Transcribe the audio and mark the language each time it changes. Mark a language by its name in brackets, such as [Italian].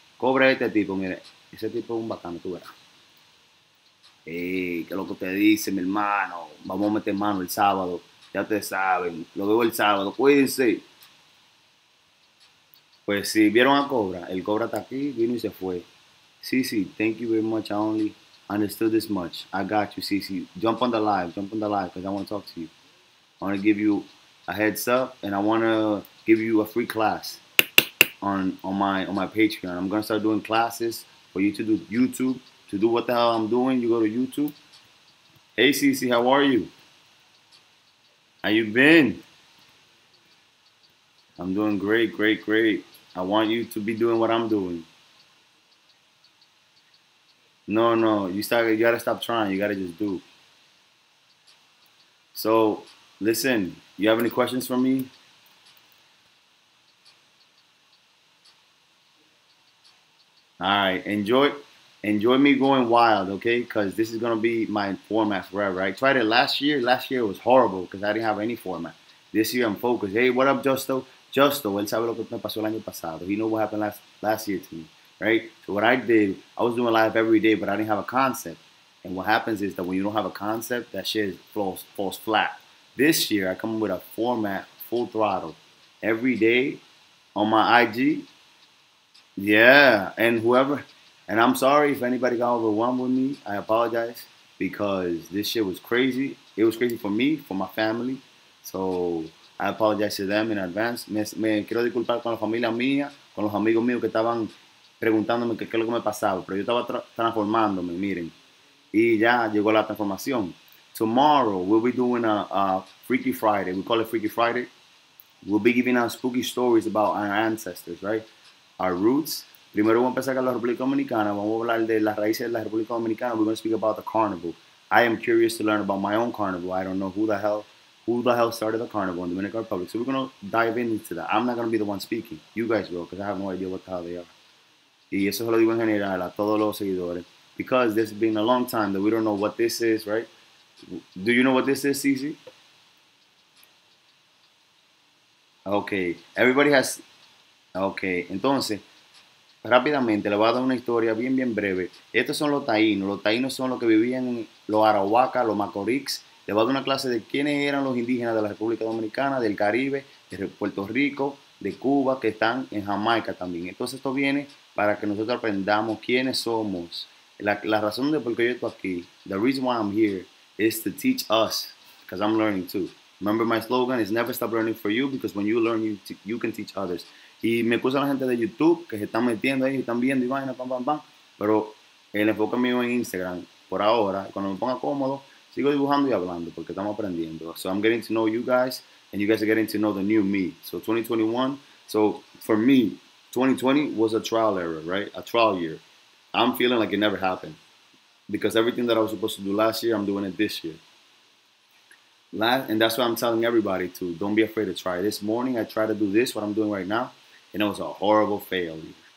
[Spanish] Cobra este tipo, mire, ese tipo es un bacano, tú verás. Ey, ¿qué es lo que usted dice, mi hermano? Vamos a meter mano el sábado. Ya te saben, lo veo el sábado, cuídense. Pues sí, vieron a Cobra. El Cobra está aquí, vino y se fue. [English] Sí, thank you very much. I only understood this much. I got you, sí. Jump on the live, because I want to talk to you. I want to give you a heads up and I want to give you a free class on my Patreon. I'm going to start doing classes for you to do YouTube, to do what the hell I'm doing. You go to YouTube. Hey, CC, how are you? How you been? I'm doing great, great, great. I want you to be doing what I'm doing. No, you gotta stop trying. You gotta just do. So, listen, you have any questions for me? All right, enjoy me going wild, okay? Because this is gonna be my format forever. I tried it last year. Last year it was horrible because I didn't have any format. This year I'm focused. Hey, what up, Justo? [Spanish] Justo, él sabe lo que me pasó el año pasado. [English] He knew what happened last year to me, right? So what I did, I was doing live every day, but I didn't have a concept. And what happens is that when you don't have a concept, that shit falls flat. This year I come with a format, full throttle, every day on my IG. Yeah, and whoever, and I'm sorry if anybody got overwhelmed with me. I apologize because this shit was crazy. It was crazy for me, for my family. So I apologize to them in advance. [Spanish] Me quiero disculpar con la familia mía, con los amigos míos que estaban preguntándome qué es lo que me pasaba. Pero yo estaba transformándome, miren. Y ya llegó la transformación. [English] Tomorrow we'll be doing a Freaky Friday. We call it Freaky Friday. We'll be giving out spooky stories about our ancestors, right? Our roots. [Spanish] Primero vamos a empezar con la República Dominicana. Vamos a hablar de las raíces de la República Dominicana. [English] We're going to speak about the carnival. I am curious to learn about my own carnival. I don't know who the hell started the carnival in the Dominican Republic. So we're going to dive into that. I'm not going to be the one speaking. You guys will, because I have no idea what the hell they are. [Spanish] Y eso se lo digo en general a todos los seguidores. [English] Because this has been a long time that we don't know what this is, right? Do you know what this is, CeCe? Okay. Everybody has. Okay. [Spanish] Entonces, rápidamente, le voy a dar una historia bien, bien breve. Estos son los taínos. Los taínos son los que vivían los arahuacas, los macorís. Le voy a dar una clase de quiénes eran los indígenas de la República Dominicana, del Caribe, de Puerto Rico, de Cuba, que están en Jamaica también. Entonces, esto viene para que nosotros aprendamos quiénes somos. La razón de por qué yo estoy aquí, [English] the reason why I'm here, is to teach us, because I'm learning too. Remember my slogan is never stop learning for you, because when you learn, you can teach others. [Spanish] Y me excusa la gente de YouTube que se están metiendo ahí, están viendo y vaina, pam, pam, pam. Pero el enfoque mío en Instagram, por ahora, cuando me ponga cómodo, sigo dibujando y hablando, porque estamos aprendiendo. [English] So I'm getting to know you guys, and you guys are getting to know the new me. So 2021, so for me, 2020 was a trial era, right? A trial year. I'm feeling like it never happened. Because everything that I was supposed to do last year, I'm doing it this year. And that's why I'm telling everybody to don't be afraid to try. This morning, I tried to do this, what I'm doing right now, and it was a horrible failure.